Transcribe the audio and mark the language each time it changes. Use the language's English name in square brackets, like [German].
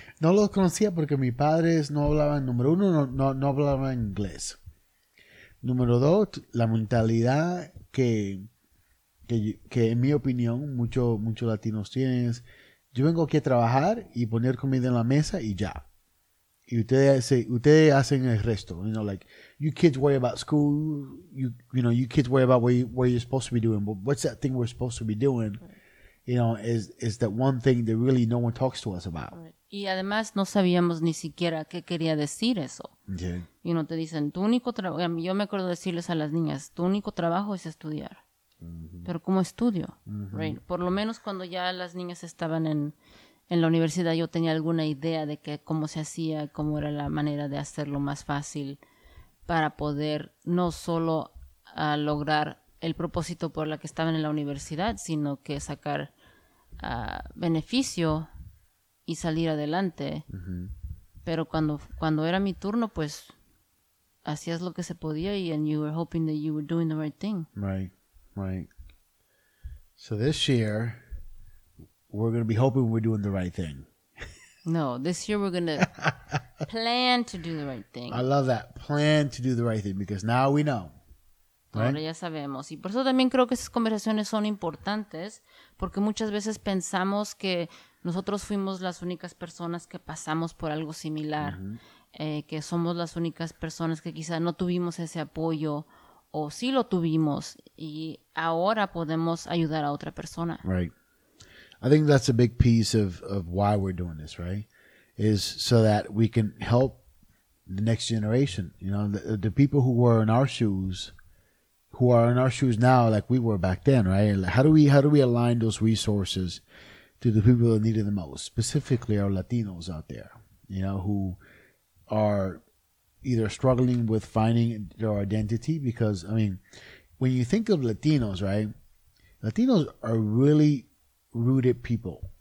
[Spanish] No los conocía porque mis padres no hablaban, número uno, no hablaban inglés. Número dos, la mentalidad que en mi opinión, muchos latinos tienen es, yo vengo aquí a trabajar y poner comida en la mesa y ya. Y ustedes hacen el resto, [English] you know, like, you kids worry about school, you know, you kids worry about what you're supposed to be doing, but what's that thing we're supposed to be doing, you know, is that one thing that really no one talks to us about. [Spanish] Y además no sabíamos ni siquiera qué quería decir eso. [English] Yeah. [Spanish] Y uno te dicen, tu único trabajo, yo me acuerdo decirles a las niñas, tu único trabajo es estudiar. Mm-hmm. Pero ¿cómo estudio? Mm-hmm. [English] Right. [Spanish] Por lo menos cuando ya las niñas estaban en la universidad, yo tenía alguna idea de que cómo se hacía, cómo era la manera de hacerlo más fácil para poder no solo lograr el propósito por la que estaban en la universidad, sino que sacar beneficio y salir adelante. Mm-hmm. Pero cuando era mi turno, pues hacías lo que se podía y [English] and you were hoping that you were doing the right thing. Right. So this year, we're going to be hoping we're doing the right thing. No, this year we're going to plan to do the right thing. I love that. Plan to do the right thing, because now we know. Right? [Spanish] Ahora ya sabemos. [English] Y por eso también creo que esas conversaciones son importantes, porque muchas veces pensamos que nosotros fuimos las únicas personas que pasamos por algo similar, mm-hmm. Que somos las únicas personas que quizá no tuvimos ese apoyo, o sí lo tuvimos, y ahora podemos ayudar a otra persona. Right. I think that's a big piece of why we're doing this, right? Is so that we can help the next generation. You know, the people who were in our shoes, who are in our shoes now, like we were back then, right? Like how do we align those resources to the people that need it the most, specifically our Latinos out there, you know, who are either struggling with finding their identity, because, I mean, when you think of Latinos, right, Latinos are really rooted people.